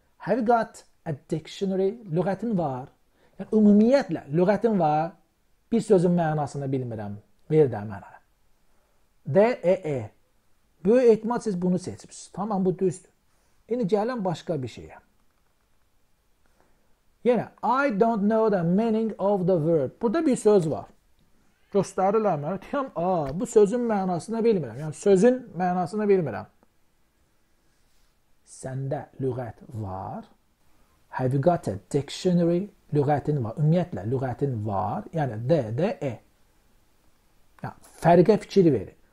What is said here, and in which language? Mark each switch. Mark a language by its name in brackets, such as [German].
[English] Have you got a dictionary? [Azerbaijani] Lüğətin var. Yani, ümumiyyətlə, lüğətim var, bir sözün mənasını bilmirəm, ver də mənə. D, E, E. Böyük ehtimal siz bunu seçmişsiniz. Tamam, bu düzdür. İndi gələn başqa bir şeyə. [English] Yenə, I don't know the meaning of the word. [Azerbaijani] Burada bir söz var. Göstərilər mənə. Deyəm, aa, bu sözün mənasını bilmirəm. Yəni, sözün mənasını bilmirəm. Səndə lüğət var. [English] Have you got a dictionary? [Azerbaijani] Lüğətin var. Ümumiyyətlə, lüğətin var. Yəni, D, D, E. Yani, fərqə fikir verin.